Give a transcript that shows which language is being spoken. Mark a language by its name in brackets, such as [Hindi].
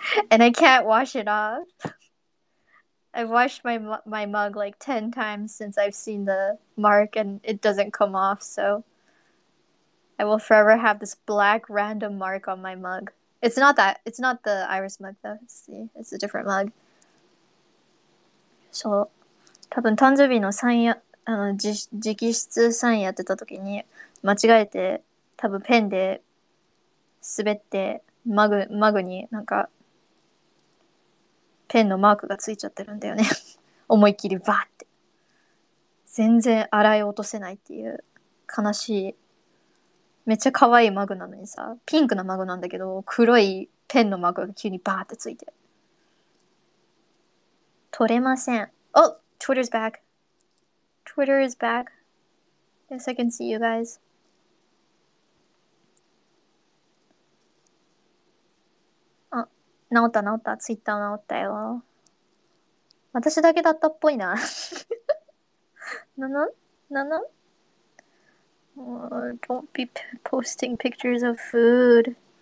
[English] And I can't wash it off. I've washed my mug like 10 times since I've seen the mark and it doesn't come off, so I will forever have this black random mark on my mug. It's not the Iris mug though. It's a different mug. そう。 [Japanese] 多分誕生日のサインや、直筆サインやってた時に間違えて、多分ペンで滑ってマグになんかペンのマークがついちゃってるんだよね 思いっきりバーって。全然洗い落とせないっていう悲しい。めっちゃ可愛いマグなのにさ、ピンクなマグなんだけど、黒いペンのマグが急にバーってついて。取れません。 [English] Oh! Twitter's back! Twitter is back! Yes, I can see you guys. [Japanese] あ、直った直った。ツイッター直ったよ。私だけだったっぽいな。なな?なな? [English] Don't be p posting pictures of food.